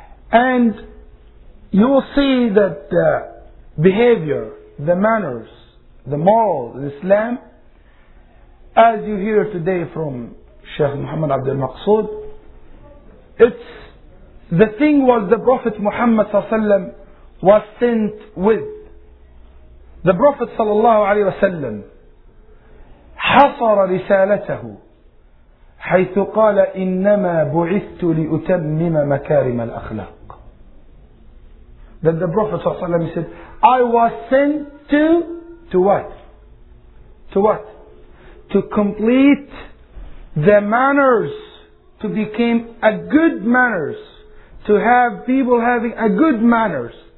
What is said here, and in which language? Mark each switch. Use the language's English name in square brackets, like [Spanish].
[English] And you will see that the behavior, the manners, the moral of Islam, as you hear today from Sheikh Muhammad Abdul Maqsood, it's the thing was the Prophet Muhammad sallallahu alaihi wasallam was sent with. The Prophet [Arabic] sallallahu alaihi wasallam حصر رسالته حيث قال إنما بعثت لأتمم مكارم الأخلاق. [English] Then the Prophet sallallahu alaihi wasallam said, I was sent to what? To complete the manners, to become a good manners, to have people having a good manners.